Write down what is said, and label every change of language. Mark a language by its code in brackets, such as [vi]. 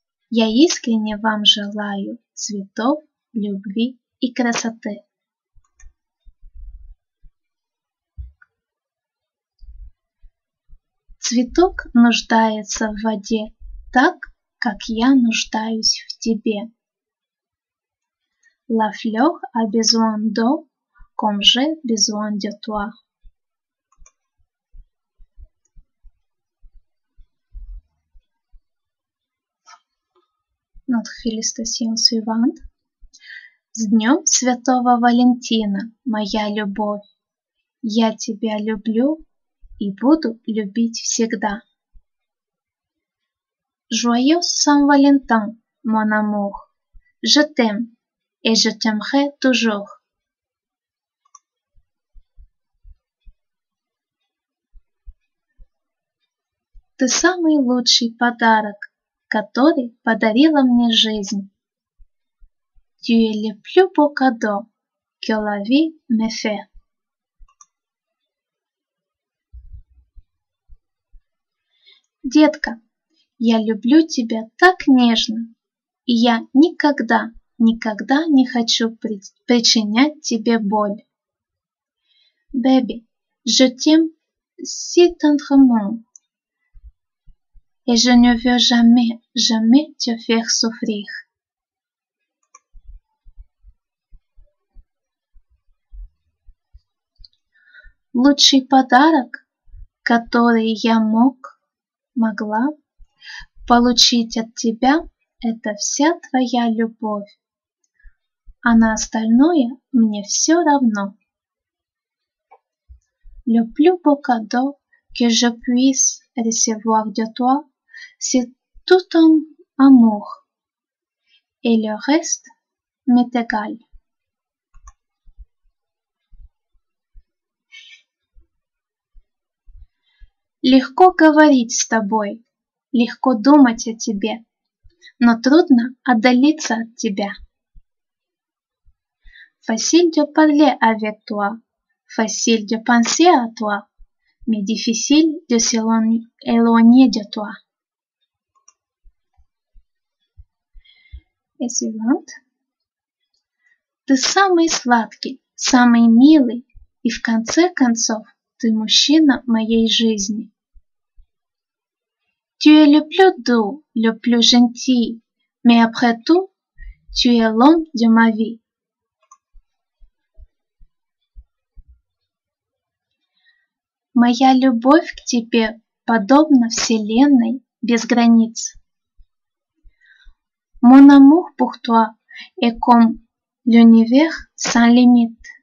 [ru] Я искренне вам желаю цветов, любви и красоты. Цветок нуждается в воде так, как я нуждаюсь в тебе. [fr] La fleur a besoin d'eau comme j'ai besoin de toi. Notre félicitation suivante. [ru] С днем Святого Валентина, моя любовь. Я тебя люблю и буду любить всегда. [fr] Joyeux Saint-Valentin, mon amour. Je t'aime. [ru] И я тебя люблю. Ты самый лучший подарок, который подарила мне жизнь. [fr] Tu es le plus beau cadeau que la vie me fait. [ru] Детка, я люблю тебя так нежно, и я никогда никогда не хочу причинять тебе боль. [fr] Baby, je t'aime si tendrement. Et je ne veux jamais, jamais te faire souffrir. [ru] Лучший подарок, который я могла получить от тебя, это вся твоя любовь. А на остальное мне все равно. [fr] Le plus beau cadeau que je puisse recevoir de toi, c'est tout ton amour. Et le reste m'est égal. [ru] Легко говорить с тобой, легко думать о тебе, но трудно отдалиться от тебя. [fr] Facile de parler avec toi, facile de penser à toi, mais difficile de s'éloigner de toi. Et suivante. [ru] Ты самый сладкий, самый милый, и в конце концов, ты мужчина моей жизни. [fr] Tu es le plus doux, le plus gentil, mais après tout, tu es l'homme de ma vie. [ru] Моя любовь к тебе подобна вселенной без границ. [fr] Mon amour pour toi est comme l'univers sans limite.